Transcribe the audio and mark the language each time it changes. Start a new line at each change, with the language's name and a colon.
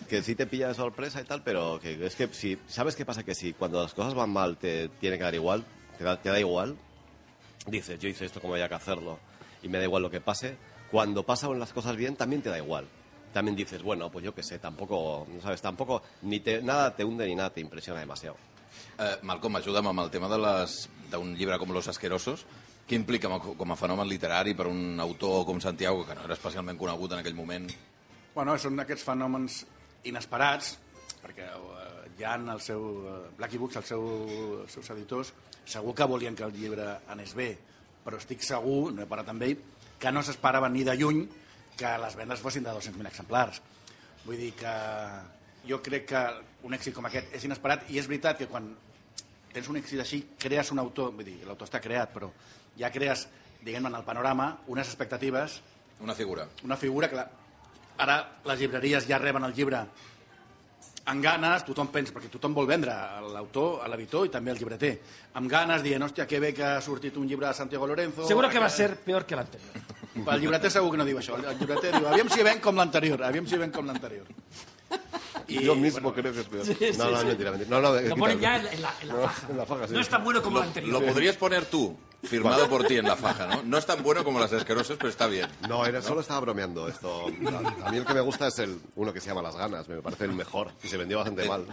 Spanish: Que sí te pilla de sorpresa y tal, pero que es que si... ¿Sabes qué pasa? Que si cuando las cosas van mal te tiene que dar igual, te da igual, dices, yo hice esto como había que hacerlo y me da igual lo que pase. Cuando pasan las cosas bien, también te da igual. También dices, bueno, pues yo qué sé, tampoco, no sabes, tampoco, ni te, nada te hunde ni nada te impresiona demasiado.
Catalan: Malcom, ajuda'm amb el tema d'un llibre com Los Asquerosos. Què implica com a fenomen literari per un autor com Santiago, que no era especialment conegut en aquell moment? Bueno, és un d'aquests fenòmens inesperats, perquè ja en el seu, Blacky Books, els seus editors, segur que volien que el llibre anés bé, però estic segur, no he parat amb ell, que no s'esperava ni de lluny que les vendes fossin de 200.000 exemplars. Vull dir que jo crec que un èxit com aquest és inesperat i és veritat que quan tens un èxit així crees un autor, vull dir, l'autor està creat, però ja crees, diguem-ne, en el panorama unes expectatives... Una figura. Una figura, clar. ara les llibreries ja reben el llibre amb ganes, tothom pensa, perquè tothom vol vendre l'autor, l'editor i també el llibreter. Amb ganes, dient, hòstia, que bé que ha sortit un llibre de Santiago Lorenzo.
Spanish: Seguro que va ser peor que l'anterior.
Catalan: El llibreter segur que no diu això. El llibreter diu, aviam si ven com l'anterior, aviam si ven com l'anterior.
Spanish: Yo mismo bueno, creo que es peor. Sí, no, sí, no, sí. Mentira, mentira. No, lo ponen ya en la faja. Sí. No es tan bueno como el anterior. Lo podrías poner tú, firmado por ti en la faja, ¿no? No es tan bueno como las asquerosas, pero está bien. No, era, ¿no? Solo estaba bromeando esto. A mí el que me gusta es el uno que se llama Las ganas, me parece el mejor, y se vendió bastante mal.